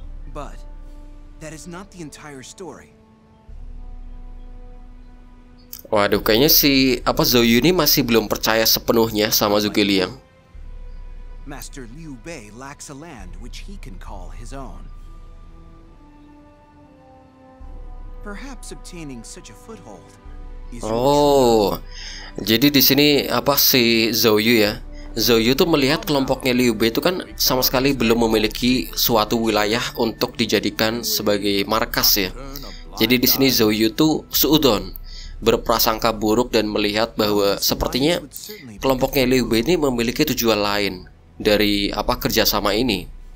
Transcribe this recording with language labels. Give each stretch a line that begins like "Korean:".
English: But that is not the entire story.
Indonesian: Waduh, kayaknya si Zhou Yu ini masih belum percaya sepenuhnya sama Zhuge Liang.
English: Master Liu Bei lacks a land which he can call his own. Perhaps obtaining such a foothold is...
Indonesian: Oh, jadi di sini si Zhou Yu ya? Zhou Yu tuh melihat kelompoknya Liu Bei itu kan sama sekali belum memiliki suatu wilayah untuk dijadikan sebagai markas ya. Jadi di sini Zhou Yu tuh suudon, berprasangka buruk dan melihat bahwa sepertinya kelompoknya Liu Bei ini memiliki tujuan lain dari kerjasama ini.